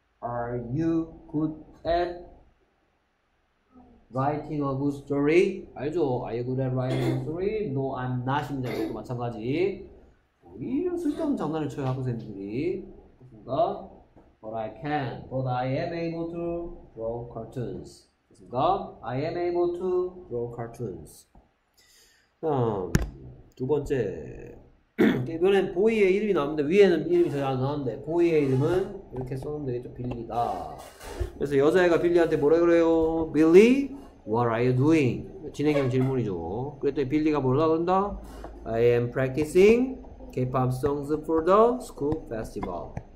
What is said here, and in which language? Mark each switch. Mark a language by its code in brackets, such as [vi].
[en] Are you good at writing a good story? [ko] 알죠? [en] Are you good at writing a good story? No, I'm not [ko] 입니다. 이것도 마찬가지. 이런 쓸데없는 장난을 쳐요, 학생들이. 됐습니까? [en] But I am able to draw cartoons. 됐습니까? I am able to draw cartoons. [ko] 다음, 두 번째. 이번엔 보이의 이름이 나왔는데, 위에는 이름이 잘안 나왔는데, 보이의 이름은 이렇게 써놓으면 되겠죠. 빌리다. 그래서 여자애가 빌리한테 뭐라 그래요? [en] Billy, what are you doing? [ko] 진행형 질문이죠. 그랬더니 빌리가 뭐라고 한다? [en] I am practicing K-pop songs for the school festival.